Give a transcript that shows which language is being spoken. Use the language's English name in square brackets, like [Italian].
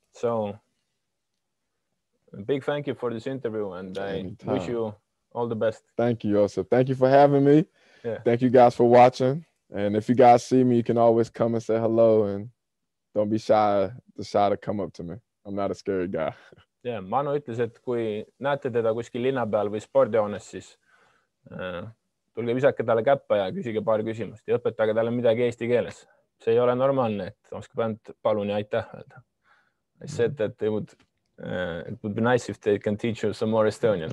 [English] So, a big thank you for this interview, and anytime. I wish you all the best. Thank you, Joosep. Thank you for having me. Yeah. Thank you guys for watching. And if you guys see me, you can always come and say hello, and don't be shy to come up to me. I'm not a scary guy. [Estonian] Yeah, Manu ütles, et kui näete teda kuskil linna peal või spordihoones, siis tulge visake talle käppa ja küsige paar küsimust ja õpetage talle midagi eesti keeles. See ei ole normaalne, et oskab ainult palun ja aitäh. [English] I said that it would be nice if they can teach you some more Estonian.